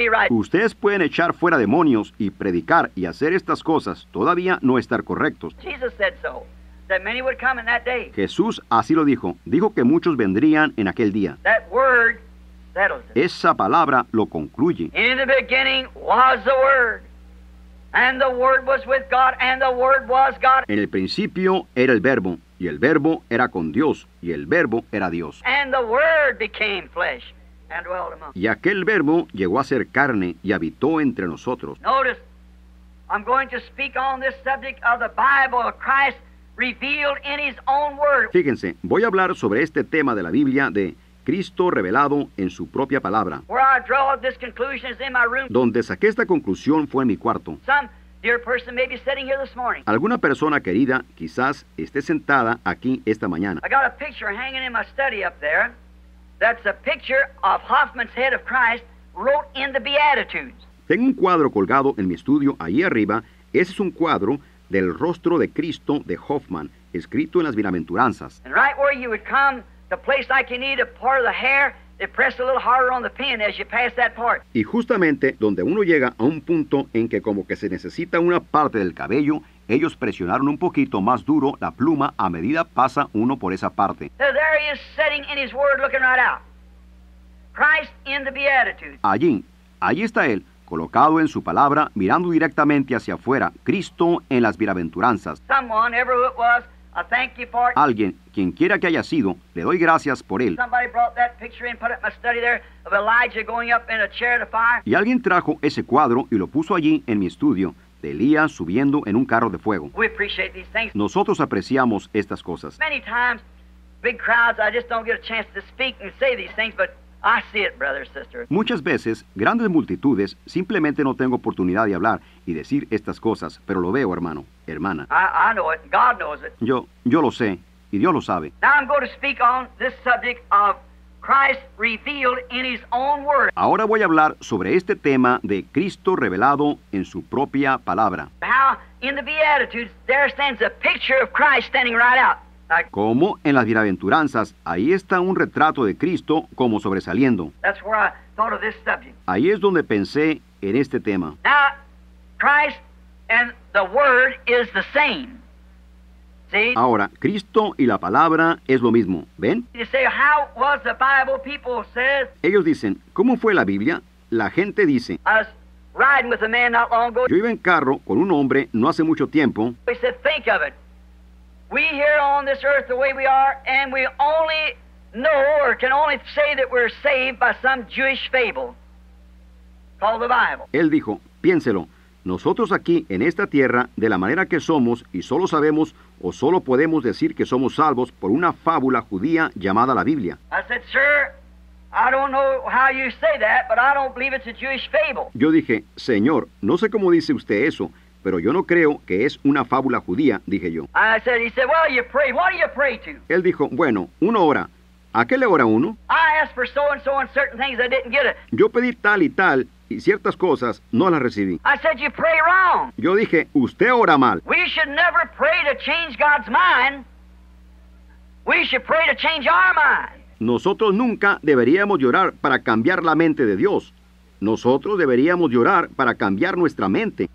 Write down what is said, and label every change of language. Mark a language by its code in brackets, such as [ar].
[es] Ustedes pueden echar fuera demonios y predicar y hacer estas cosas, todavía no estar correctos. [en] Jesus said so, that many would come in that day. [es] Jesús así lo dijo, dijo que muchos vendrían en aquel día. [en] That word settles it. [es] Esa palabra lo concluye. [en] In the beginning was the word. And the word was with God, and the word was God. [es] En el principio era el verbo, y el verbo era con Dios, y el verbo era Dios. [en] And the word became flesh and dwelt among us. [es] Y aquel verbo llegó a ser carne y habitó entre nosotros. [en] Notice, I'm going to speak on this subject of the Bible, Christ revealed in his own word. [es] Fíjense, voy a hablar sobre este tema de la Biblia de Cristo revelado en su propia palabra. [en] Where I draw this conclusion is in my room. [es] Donde saqué esta conclusión fue en mi cuarto. [en] Some dear person may be sitting here this morning. [es] Alguna persona querida quizás esté sentada aquí esta mañana. [en] I got a picture hanging in my study up there. That's a picture of Hoffman's head of Christ wrote in the Beatitudes. [es] Tengo un cuadro colgado en mi estudio ahí arriba. Ese es un cuadro del rostro de Cristo de Hoffman escrito en las Bienaventuranzas. [en] And right where you would come, the place like you need a part of the hair, they press a little harder on the pin as you pass that part. [es] Y justamente donde uno llega a un punto en que como que se necesita una parte del cabello, ellos presionaron un poquito más duro la pluma a medida pasa uno por esa parte. [en] So there he is sitting in his word looking right out. Christ in the Beatitudes. [es] Allí está él, colocado en su palabra, mirando directamente hacia afuera, Cristo en las Bienaventuranzas. [en] Someone, ever who it was, I thank you for it. [es] Alguien, quien quiera que haya sido, le doy gracias por él. [en] Somebody brought that picture in, put it in my study there of Elijah going up in a chariot of fire. [es] Y alguien trajo ese cuadro y lo puso allí en mi estudio de Elías subiendo en un carro de fuego. [en] We appreciate these things. [es] Nosotros apreciamos estas cosas. [en] Many times, big crowds, I just don't get a chance to speak and say these things, but I see it, brother, sister. [es] Muchas veces, grandes multitudes, simplemente no tengo oportunidad de hablar y decir estas cosas, pero lo veo, hermano, hermana. [en] I know it. God knows it. [es] Yo lo sé, y Dios lo sabe. [en] Now I'm going to speak on this subject of Christ revealed in His own word. [es] Ahora voy a hablar sobre este tema de Cristo revelado en su propia palabra. [en] How in the Beatitudes there stands a picture of Christ standing right out. [es] Como en las bienaventuranzas, ahí está un retrato de Cristo como sobresaliendo. [en] That's where I thought of this subject. [es] Ahí es donde pensé en este tema. [en] Now, Christ and the Word is the same. See? [es] Ahora, Cristo y la palabra es lo mismo. ¿Ven? [en] You say, how was the Bible people said? [es] Ellos dicen, ¿cómo fue la Biblia? La gente dice, [en] I was riding with a man not long ago. [es] Yo iba en carro con un hombre no hace mucho tiempo. [en] He said, think of it. We here on this earth the way we are, and we only know or can only say that we're saved by some Jewish fable called the Bible. [es] Él dijo, piénselo, nosotros aquí en esta tierra, de la manera que somos, y solo sabemos o solo podemos decir que somos salvos por una fábula judía llamada la Biblia. [en] I said, sir, I don't know how you say that, but I don't believe it's a Jewish fable. [es] Yo dije, señor, no sé cómo dice usted eso, pero yo no creo que es una fábula judía, dije yo. [en] He said, well, you pray. What do you pray to? [es] Él dijo, bueno, uno ora. ¿A qué le ora uno? I asked for so and so and certain things I didn't get it. Yo pedí tal y tal, y ciertas cosas no las recibí. [en] I said, you pray wrong. [es] Yo dije, usted ora mal. [en] We should never pray to change God's mind. We should pray to change our mind. [es] Nosotros nunca deberíamos llorar para cambiar la mente de Dios. Nosotros deberíamos llorar para cambiar nuestra mente.